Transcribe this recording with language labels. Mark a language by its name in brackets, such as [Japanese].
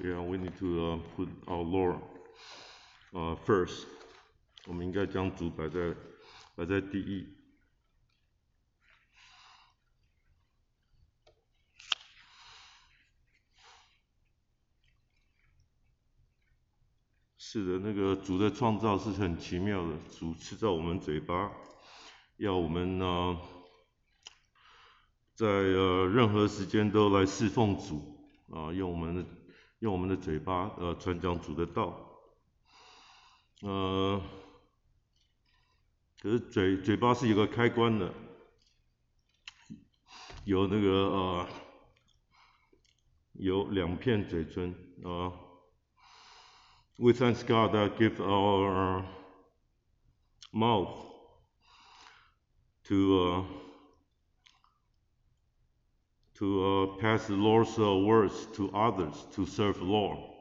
[English] Yeah, we need to put our Lord first. [Chinese] 我们应该将主摆在第一。是的，那个主的创造是很奇妙的，主吃在我们嘴巴，要我们在任何时间都来侍奉主啊，用我们的嘴巴传讲主的道。可是嘴巴是一个开关的，有那个有两片嘴唇啊。 [English] We thank God that give our mouth to pass the Lord's words to others to serve the Lord.